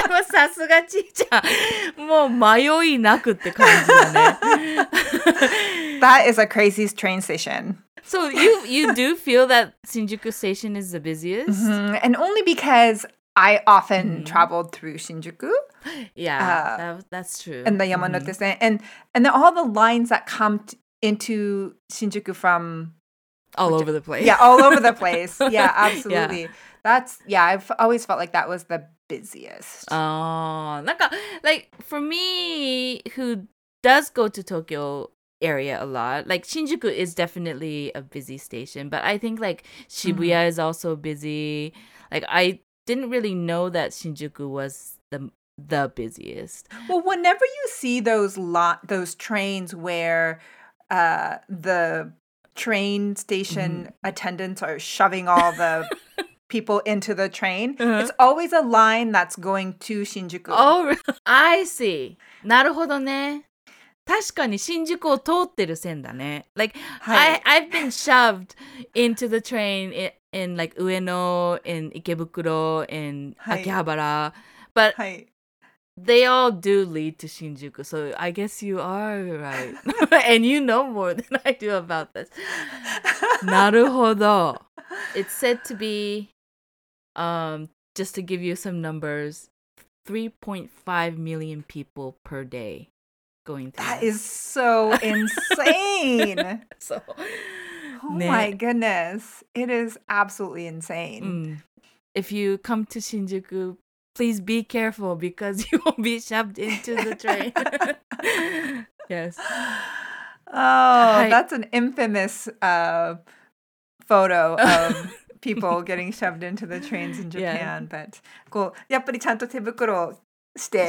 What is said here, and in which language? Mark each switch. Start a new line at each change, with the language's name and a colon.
Japanese: さすがちーちゃん、もう迷いなくって感じだね。
English: That is a crazy train station. So you do feel that Shinjuku station is the busiest? Mm-hmm. And only because I often traveled through Shinjuku. Yeah, that's true. And the Yamanote Sen. And then all the lines that come into Shinjuku from... All over the place. Yeah, all over the place. Yeah, absolutely. Yeah. That's, yeah, I've always felt like that was the busiest. Like, for me, who does go to Tokyo area a lot, like, Shinjuku is definitely a busy station, but I think, like, Shibuya is also busy. Like, I didn't really know that Shinjuku was the busiest. Well, whenever you see those trains where the train station attendants are shoving all the... people into the train. Uh-huh. It's always a line that's going to Shinjuku. Oh, really? I see.
Japanese: なるほどね。確かに新宿を通ってる線だね。
English: Like, I've been shoved into the train in like Ueno, in Ikebukuro, in Akihabara. But they all do lead to Shinjuku. So I guess you are right. And you know more than I do about this.
Japanese: なるほど。
English: It's said to be, just to give you some numbers, 3.5 million people per day going through. That is so insane. So, my goodness. It is absolutely insane. If you come to Shinjuku, please be careful because you will be shoved into the train. Yes. Oh, that's an infamous photo of people getting shoved into the trains in Japan. But
Japanese: こう、やっぱりちゃんと手袋して。